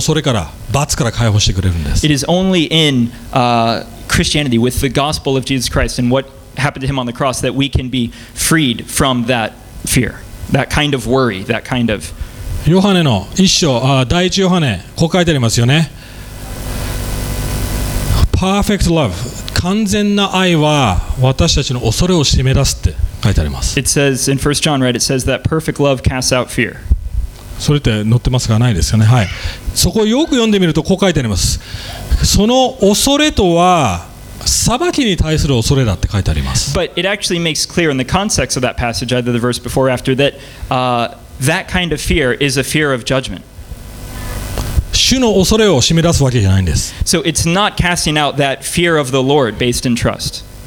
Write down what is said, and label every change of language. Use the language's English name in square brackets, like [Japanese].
[Japanese] キリスト教の本当の福音のメッセージだけが私たちを本当の間違った恐れから罰から解放してくれるんです。It [English] is only in Christianity with the gospel of Jesus Christ and what happened to him on the cross that we can be freed from that fear, that kind of worry, that kind of [Japanese] ヨハネの1章、第1ヨハネ、こう書いてありますよね。 [English] Perfect love [Japanese] 完全な愛は私たちの恐れを締め出すって書いてあります。 [English] It says in 1 John, right? It says that perfect love casts out fear. [Japanese] それって載ってますか？ないですよね。はい。そこをよく読んでみると、こう書いてあります。その恐れとは裁きに対する恐れだって書いてあります。 [English] But it actually makes clear in the context of that passage, either the verse before or after, that that kind of fear is a fear of judgment. [Japanese] 主の恐れを締め出すわけじゃないんです。 [English] So it's not casting out that fear of the Lord based in trust.